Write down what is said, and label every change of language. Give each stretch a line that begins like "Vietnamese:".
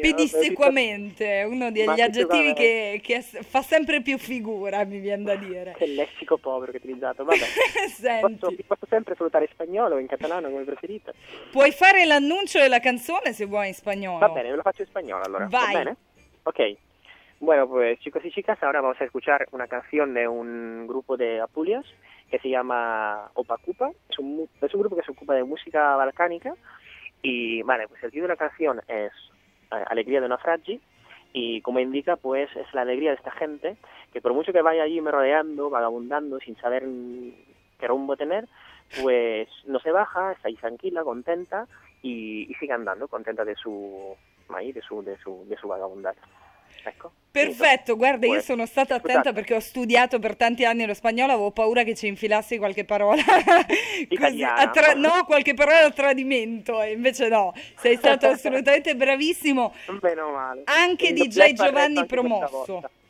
Italian: Pedissequamente, uno degli aggettivi che fa sempre più figura, mi viene da dire. Che lessico povero che ho utilizzato, vabbè. Senti. Posso sempre salutare in spagnolo o in catalano, come preferite. Puoi fare l'annuncio della canzone, se vuoi, in spagnolo. Va bene, ve lo faccio in spagnolo, allora. Vai. Va bene? Ok.
Spanish: Bueno, pues chicos y chicas, ahora vamos a escuchar una canción de un grupo de Apulias que se llama Opa Cupa. Es un grupo que se ocupa de música balcánica. Y vale, pues el título de la canción es Alegría de Naufragi. Y como indica, pues es la alegría de esta gente que, por mucho que vaya allí me rodeando, vagabundando, sin saber qué rumbo tener, pues no se baja, está ahí tranquila, contenta y sigue andando, contenta de su.
Italian: Mai de su vagabondaggio. Ecco. Perfetto, guarda, io sono stata attenta perché ho studiato per tanti anni lo spagnolo, avevo paura che ci infilassi qualche parola così, qualche parola a tradimento, e invece no, sei stato assolutamente bravissimo. Bene o male. Anche DJ Giovanni promosso.